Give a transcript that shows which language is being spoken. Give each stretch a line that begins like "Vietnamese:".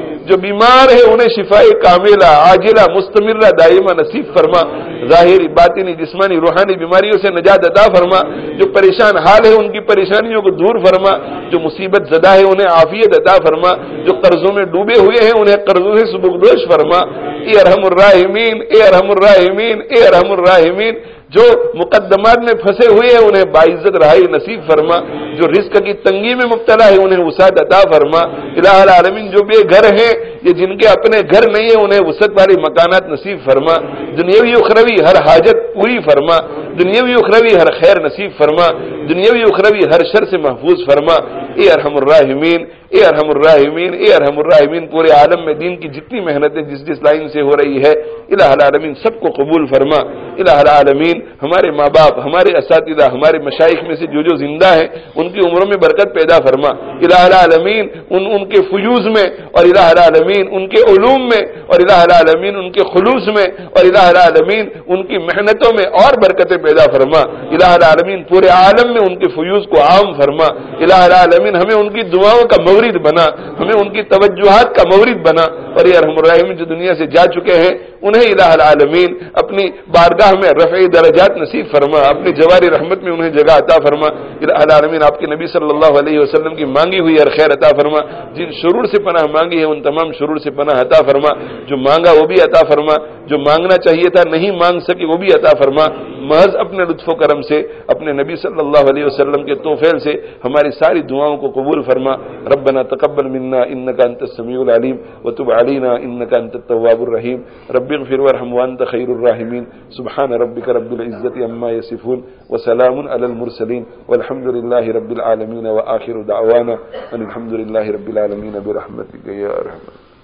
Urdu: جو بیمار ہے انہیں شفاء کاملہ عاجلہ مستمرہ دائمہ نصیب فرما, ظاہری باطنی جسمانی روحانی بیماریوں سے نجات عطا فرما, جو پریشان حال ہے ان کی پریشانیوں کو دور فرما, جو مصیبت زدہ ہے انہیں عافیت عطا فرما, جو قرضوں میں ڈوبے ہوئے ہیں انہیں قرضوں سے سبکدوش فرما. اے ارحم الراحمین, اے ارحم الراحمین, اے ارحم الراحمین. جو مقدمات میں پھنسے ہوئے ہیں انہیں باعزت رہائی نصیب فرما, جو رزق کی تنگی میں مبتلا ہے انہیں وسعت عطا فرما. الہ العالمین, جو بے گھر ہیں یا جن کے اپنے گھر نہیں ہیں انہیں وسعت والی مکانات نصیب فرما. دنیاوی اخروی ہر حاجت پوری فرما, دنیاوی اخروی ہر خیر نصیب فرما, دنیاوی اخروی ہر شر سے محفوظ فرما. اے ارحم الراحمین, اے ارحم الراحمین, اے ارحم الراحمین. پورے عالم میں دین کی جتنی محنتیں جس جس لائن سے ہو رہی ہے الہ العالمین سب کو قبول فرما. الہ العالمین, ہمارے ماں باپ, ہمارے اساتذہ, ہمارے مشائخ میں سے جو جو زندہ ہیں ان کی عمروں میں برکت پیدا فرما. الہ العالمین, ان کے فیوز میں, اور الہ العالمین ان کے علوم میں, اور الہ العالمین ان کے خلوص میں, اور الہ العالمین ان کی محنتوں میں اور برکتیں پیدا فرما. الہ العالمین پورے عالم میں ان کے فیوز کو عام فرما. الہ العالمین ہمیں ان کی دعاؤں کا مورد بنا, ہمیں ان کی توجہات کا مورد بنا. اور یہ ارحم الراحمین جو دنیا سے جا چکے ہیں انہیں الہ العالمین اپنی بارگاہ میں رفع درجات نصیب فرما, اپنی جوار رحمت میں انہیں جگہ عطا فرما. الہ العالمین آپ کے نبی صلی اللہ علیہ وسلم کی مانگی ہوئی ہر خیر عطا فرما, جن شرور سے پناہ مانگی ہے ان تمام شرور سے پناہ عطا فرما, جو مانگا وہ بھی عطا فرما, جو مانگنا چاہیے تھا نہیں مانگ سکے وہ بھی عطا فرما. محض اپنے لطف و کرم سے, اپنے نبی صلی اللہ علیہ وسلم کے توفیل سے ہماری ساری دعاؤں کو قبول فرما.
Arabic: ربنا تقبل منا انك انت السميع العليم, وتب علينا انك انت التواب الرحيم. رب اغفر وارحم وانت خير الراحمين. سبحان ربك رب العزة عما يصفون, وسلام على المرسلين, والحمد لله رب العالمين, واخر دعوانا ان الحمد لله رب العالمين برحمتك يا ارحم الراحمين.